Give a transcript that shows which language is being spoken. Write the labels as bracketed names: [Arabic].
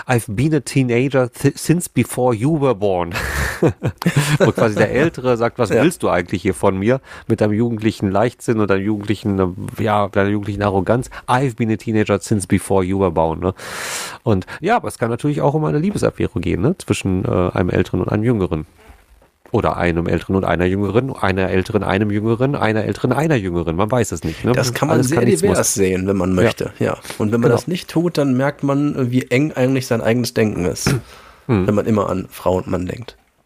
[English] I've been a teenager since before you were born. [German] Wo quasi der Ältere sagt, was willst du eigentlich hier von mir? Mit deinem jugendlichen Leichtsinn und deinem jugendlichen, ja, deiner jugendlichen Arroganz. [English] I've been a teenager since before you were born. Ne? [German] Und ja, aber es kann natürlich auch um eine Liebeserklärung gehen, ne? Zwischen einem Älteren und einem Jüngeren. Oder einem Älteren und einer Jüngeren, einer Älteren, einem Jüngeren, einer Älteren, einer Jüngeren. Man weiß es nicht. Ne? Das kann man sehr divers sehen, wenn man möchte. Ja. Und wenn man das nicht tut, dann merkt man, wie eng eigentlich sein eigenes Denken ist, wenn man immer an Frau und Mann denkt.